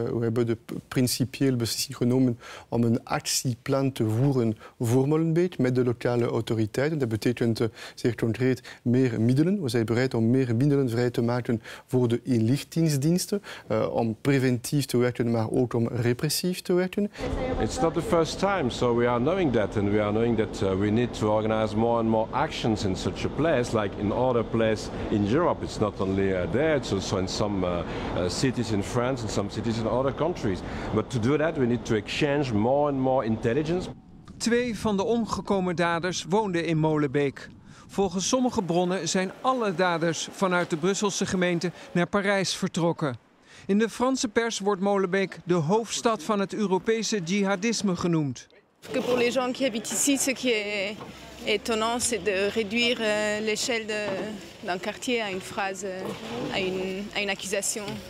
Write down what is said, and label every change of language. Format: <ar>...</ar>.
<nl>We hebben de principiële beslissing genomen om een actieplan te voeren voor Molenbeek met de lokale autoriteiten. Dat betekent zeer concreet meer middelen. We zijn bereid om meer middelen vrij te maken voor de inlichtingsdiensten. Om preventief te werken, maar ook om repressief te werken.</nl> <en>It's not the first time, so we are knowing that. And we are knowing that we need to organize more and more actions in such a place, like in other places in Europe. It's not only there, it's also in some cities in France and some cities in other countries. But to do that, we need to exchange more and more intelligence.</en> <nl>Twee van de omgekomen daders woonden in Molenbeek. Volgens sommige bronnen zijn alle daders vanuit de Brusselse gemeente naar Parijs vertrokken. In de Franse pers wordt Molenbeek de hoofdstad van het Europese jihadisme genoemd. Voor de mensen die hier wonen,</nl> <fr>étonnant, c'est de réduire l'échelle d'un quartier à une phrase, à une accusation.</fr>